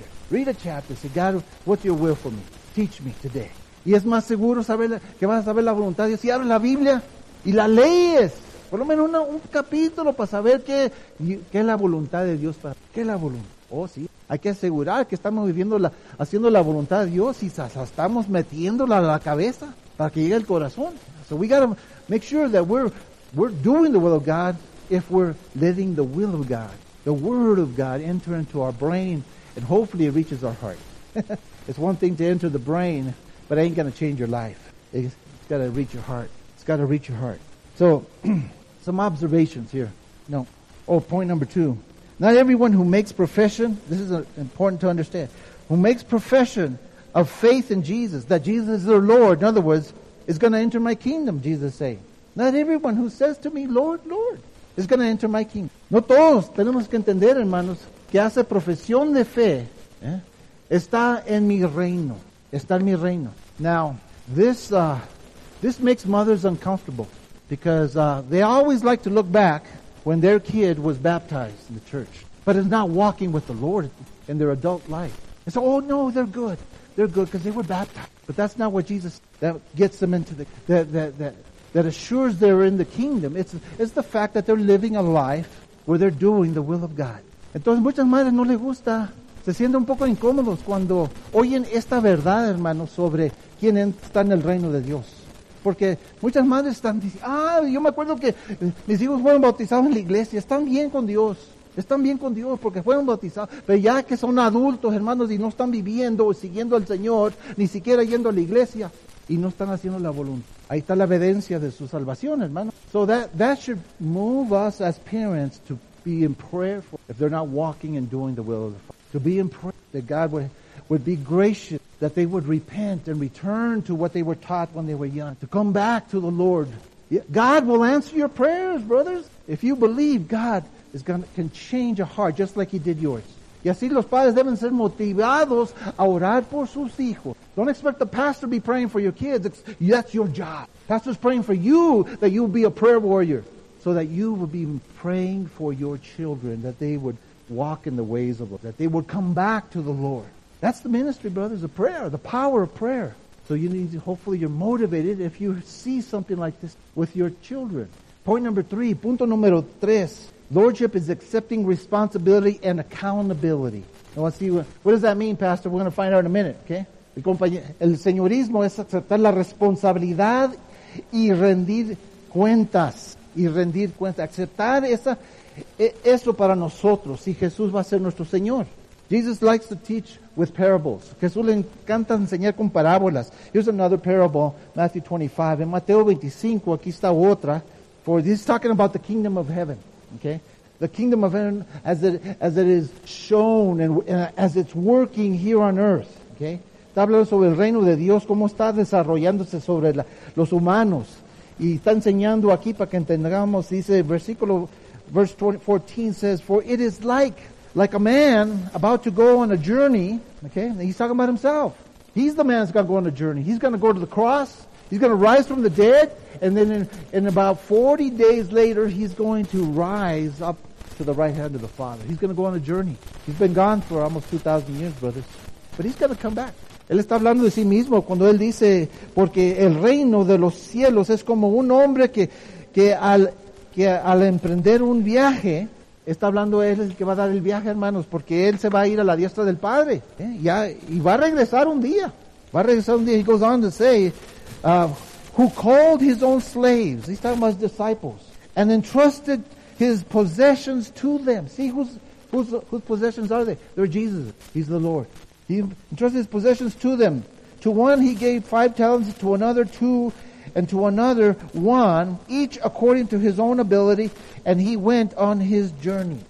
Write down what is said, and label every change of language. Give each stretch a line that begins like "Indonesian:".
English: Read a chapter, say, God, what's your will for me? Teach me today.
Spanish: Y es más seguro saber que vas a saber la voluntad de Dios si abres la Biblia y la lees. Por lo menos un capítulo para saber qué es la voluntad de Dios. ¿Qué es la voluntad? Oh, sí. Hay que asegurar que estamos viviendo haciendo la voluntad de Dios y estamos metiéndola a la cabeza para que llegue al corazón.
English: So we got to make sure that we're doing the will of God if we're letting the will of God, the word of God, enter into our brain and hopefully it reaches our heart. It's one thing to enter the brain, but it ain't going to change your life. It's got to reach your heart. So, some observations here. No. Oh, point number two. Not everyone who makes profession, this is important to understand, who makes profession of faith in Jesus, that Jesus is their Lord, in other words, is going to enter my kingdom, Jesus is saying. Not everyone who says to me, Lord, Lord, is going to enter my kingdom.
Spanish: No todos tenemos que entender, hermanos, que hace profesión de fe, está en mi reino. Está en mi reino.
English: Now, this makes mothers uncomfortable. Because they always like to look back when their kid was baptized in the church, but is not walking with the Lord in their adult life. They say, oh no, they're good. They're good because they were baptized. But that's not what Jesus, that gets them into the, that assures they're in the kingdom. It's the fact that they're living a life where they're doing the will of God.
Spanish: Entonces muchas madres no les gusta, se sienten un poco incómodos cuando oyen esta verdad, hermanos, sobre quién está en el reino de Dios. Porque muchas madres están diciendo, yo me acuerdo que mis hijos fueron bautizados en la iglesia, están bien con Dios porque fueron bautizados, pero ya que son adultos, hermanos, y no están viviendo o siguiendo al Señor, ni siquiera yendo a la iglesia, y no están haciendo la voluntad. Ahí está la evidencia de su salvación, hermano.
English: So that should move us as parents to be in prayer for, if they're not walking and doing the will of the Father, to be in prayer that God would be gracious, that they would repent and return to what they were taught when they were young, to come back to the Lord. God will answer your prayers, brothers. If you believe, God is can change a heart just like He did yours.
Spanish: Y así los padres deben ser motivados a orar por sus hijos.
English: Don't expect the pastor to be praying for your kids. That's your job. Pastor's praying for you that you'll be a prayer warrior, so that you will be praying for your children, that they would walk in the ways of the Lord, that they would come back to the Lord. That's the ministry, brothers, the prayer, the power of prayer. So you need to, hopefully you're motivated if you see something like this with your children.
Spanish: Punto número tres.
English: Lordship is accepting responsibility and accountability. I want to see what does that mean, Pastor? We're going to find out in a minute, okay?
Spanish: El señorismo es aceptar la responsabilidad y rendir cuentas. Aceptar eso para nosotros, si Jesús va a ser nuestro Señor.
English: Jesus likes to teach with parables.
Spanish: Jesús le encanta enseñar con parábolas.
English: Here's another parable, Matthew 25.
Spanish: En Mateo 25, aquí está otra.
English: For this is talking about the kingdom of heaven. Okay? The kingdom of heaven as it is shown and as it's working here on earth. Okay?
Spanish: Está hablando sobre el reino de Dios, cómo está desarrollándose sobre los humanos. Y está enseñando aquí para que entendamos, dice versículo,
English: verse 14 says, for it is like a man about to go on a journey, okay? And he's talking about himself. He's the man that's going to go on a journey. He's going to go to the cross. He's going to rise from the dead. And then in about 40 days later, he's going to rise up to the right hand of the Father. He's going to go on a journey. He's been gone for almost 2,000 years, brothers. But he's going to come back.
Spanish: Él está hablando de sí mismo cuando él dice, porque el reino de los cielos es como un hombre que al emprender un viaje, está hablando él el que va a dar el viaje, hermanos, porque él se va a ir a la diestra del Padre. Y va a regresar un día. Va a regresar un día.
English: He goes on to say, who called his own slaves, he's talking about his disciples, and entrusted his possessions to them. See, whose possessions are they? They're Jesus. He's the Lord. He entrusted his possessions to them. To one he gave 5 talents, to another 2, and to another 1, each according to his own ability, and he went on his journey.